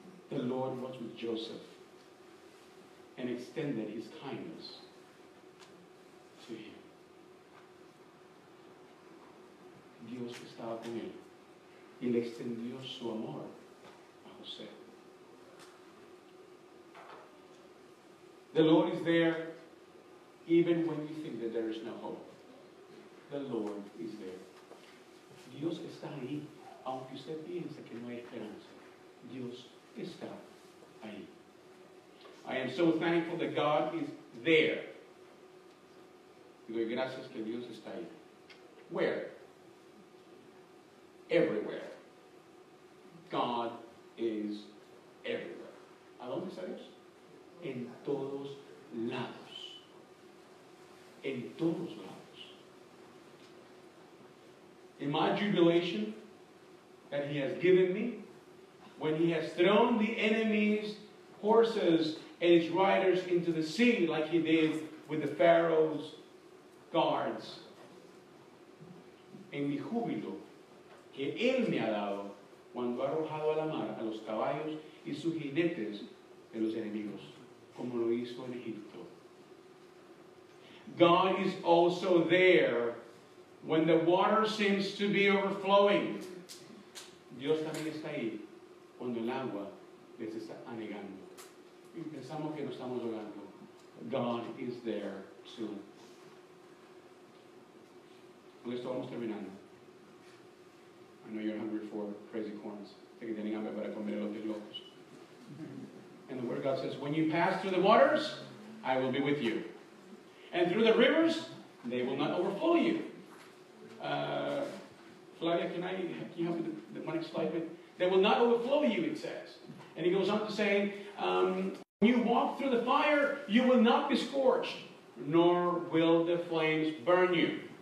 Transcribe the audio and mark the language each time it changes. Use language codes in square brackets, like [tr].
[en] The Lord was with Joseph and extended his kindness to him. [es] Dios estaba con él y le extendió su amor a José. [en] The Lord is there. Even when you think that there is no hope, the Lord is there. [es] Dios está ahí, aunque usted piense que no hay esperanza. Dios está ahí. [en] I am so thankful that God is there. [es] Y doy gracias que Dios está ahí. [en] Where? Everywhere. God is everywhere. [es] ¿A dónde está Dios? En todos lados. En todos lados. [en] In my jubilation that he has given me, when he has thrown the enemy's horses and his riders into the sea, like he did with the Pharaoh's guards. [es] En mi júbilo que él me ha dado cuando ha arrojado a la mar a los caballos y sus jinetes de los enemigos, como lo hizo en Egipto. [en] God is also there when the water seems to be overflowing. [es] Dios también está ahí cuando el agua les está anegando. Y pensamos que no estamos llorando. [en] God is there too. [es] Con esto vamos terminando. [en] I know you're hungry for crazy corns. [es] Sé que tienen hambre para comer elotes locos. [en] And the word of God says, when you pass through the waters, I will be with you. And through the rivers, they will not overflow you. Flavia, can you help me with the next slide? They will not overflow you, it says. And he goes on to say, when you walk through the fire, you will not be scorched, nor will the flames burn you.